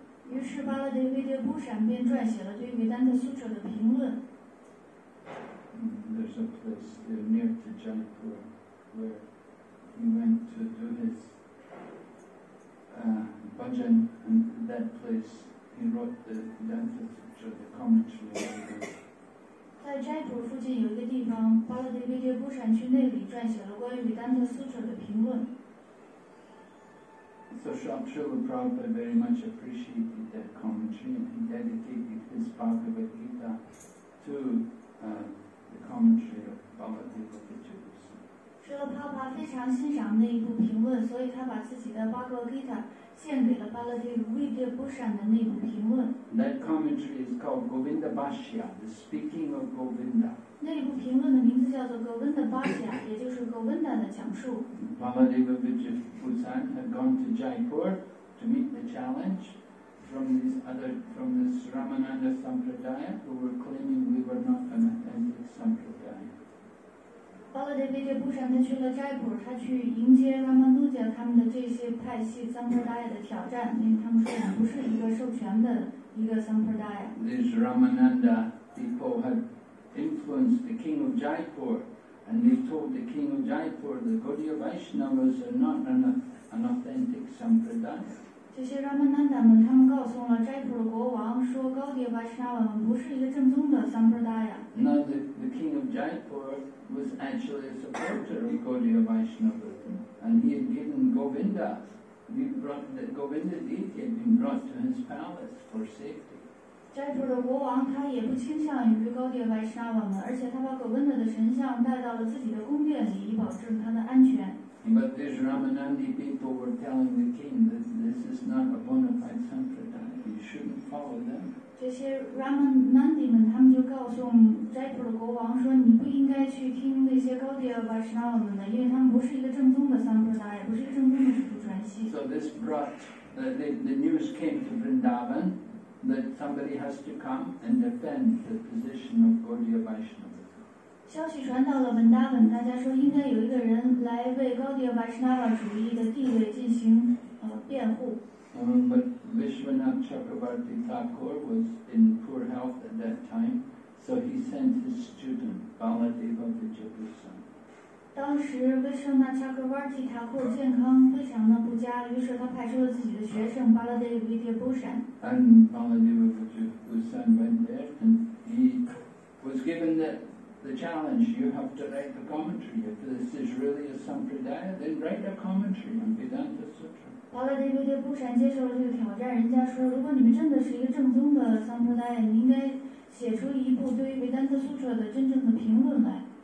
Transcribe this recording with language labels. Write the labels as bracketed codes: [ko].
[zh] 于是巴拉德维德布闪便撰写了对维丹特苏哲的评论。 [en] There's a place near to Jaipur where he went to do his bhajan, and that place he wrote the Vedanta Sutra, the commentary. [zh] 在斋普附近有一个地方，巴拉德维德布闪去那里撰写了关于维丹特苏哲的评论。 [en] So Srila Prabhupada very much appreciated that commentary, and he dedicated his Bhagavad Gita to the commentary of Baladeva Pinchabhusan. [zh] Srila Prabhupada 非常欣赏那一部评论，所以他把自己的 Bhagavad Gita 献给了巴勒提卢维迭波山的那种评论。 [en] That commentary is called Govinda Bhashya, the speaking of Govinda. [zh] 那部评论的名字叫做 Govinda Bhashya, 也就是 Govinda 的讲述。 [en] Baladeva Vijayapurasan had gone to Jaipur to meet the challenge from the Ramananda Sampradaya who were claiming we were not an authentic Sampradaya. [zh] 巴勒德维杰布山他去了斋普，他去迎接拉曼杜加他们的这些派系桑普达雅的挑战，因为他们说我们不是一个授权的一个桑普达雅。 [en] These Ramananda people had influenced the king of Jaipur, and they told the king of Jaipur the Gaudiya Vaishnavas are not an authentic Sampradaya. [zh] 这些 Ramananda 们他们告诉了斋普的国王说高迭巴什纳瓦们不是一个正宗的桑普达雅。 [en] Now the king of Jaipur. Was actually a supporter of Gaudiya Vaishnava, and he had given Govinda, he brought the Govinda deity had been brought to his palace for safety. [zh] Jaipur 的国王他也不倾向于Gaudiya Vaishnava们，而且他把 Govinda 的神像带到了自己的宫殿里，以保证他的安全。 [en] But these Ramanandi people were telling the king that this is not a bona fide sampradaya. You shouldn't follow them. [zh] 这些 Ramanandi 们他们就告诉斋普的国王说你不应该去听那些高迭巴什纳瓦们的，因为他们不是一个正宗的桑普达雅，不是一个正宗的师父传系。 [en] So this brought the news came to Vrindavan that somebody has to come and defend the position of Gaudiya Vaishnava. [zh] 消息传到了 Vrindavan, 大家说应该有一个人来为高迭巴什纳瓦主义的地位进行辩护。 [en] But Vishwanath Chakravarti Thakur was in poor health at that time, so he sent his student, Baladeva Vijayapurasan. [zh] 当时 Vishwanath Chakravarti Thakur 健康非常的不佳，于是他派出了自己的学生 Baladeva Vijayapurasan. [en] And Baladeva Vijayapurasan went there, and he was given the challenge, you have to write the commentary. If this is really a Sampradaya, then write a commentary on Vedanta Sutra. [zh] 巴勒迪维迭布山接受了这个挑战，人家说如果你们真的是一个正宗的桑普达雅，你应该写出一部对于维丹特苏彻的真正的评论来。